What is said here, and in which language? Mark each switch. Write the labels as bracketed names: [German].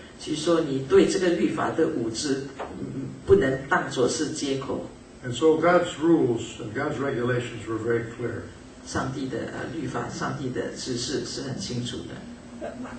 [Chinese] 就是说你对这个律法的无知，不能当作是借口。 [English] And so God's rules and God's regulations were very clear. [Chinese] 上帝的律法，上帝的指示是很清楚的。